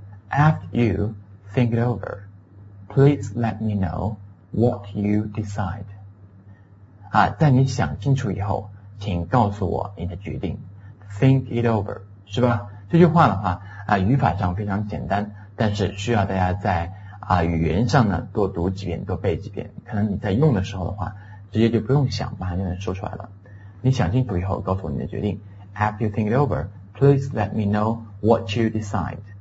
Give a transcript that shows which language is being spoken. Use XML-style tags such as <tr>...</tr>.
<en>After you think it over, please let me know what you decide.</en> <zh>啊，在你想清楚以后，请告诉我你的决定。</zh> <en>Think it over,</en> <zh>是吧？这句话的话啊，语法上非常简单，但是需要大家在啊语言上呢多读几遍，多背几遍，可能你在用的时候的话直接就不用想，马上就能说出来了。你想清楚以后告诉我你的决定。</zh> <en>After you think it over, please let me know what you decide.</en>